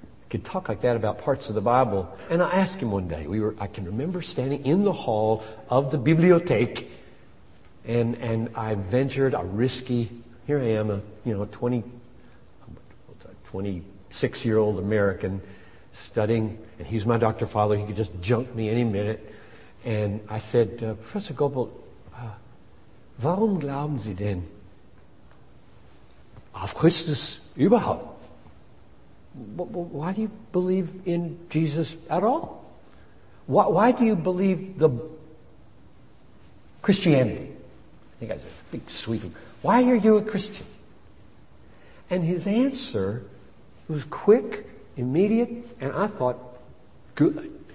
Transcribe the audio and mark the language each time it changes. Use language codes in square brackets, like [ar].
[en] Could talk like that about parts of the Bible. And I asked him one day, I can remember standing in the hall of the bibliothèque, and I ventured a risky, here I am, a 26-year-old American studying, and he's my doctor father, he could just junk me any minute. And I said, [de] Professor Goppelt, warum glauben Sie denn auf Christus überhaupt? [en] Why do you believe in Jesus at all? Why do you believe the Christianity? I think I said, big sweet. Why are you a Christian? And his answer was quick, immediate, and I thought, good.